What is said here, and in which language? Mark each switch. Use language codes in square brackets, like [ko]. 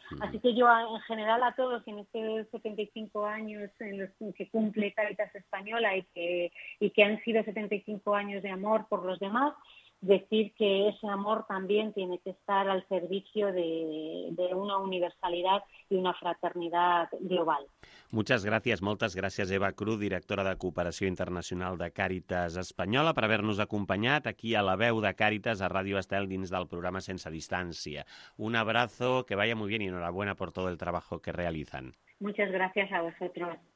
[es] Así que yo en general a todos en estos 75 años en los que cumple Cáritas Española y que han sido 75 años de amor por los demás, decir que ese amor también tiene que estar al servicio de una universalidad y una fraternidad global. Muchas gracias, [ca] moltes gràcies, Eva Cruz, directora de Cooperació Internacional de Càritas Espanyola, per haver-nos acompanyat aquí a la veu de Càritas, a Ràdio Estel, dins del programa Sense Distància. [es] Un abrazo, que vaya muy bien y enhorabuena por todo el trabajo que realizan. Muchas gracias a vosotros.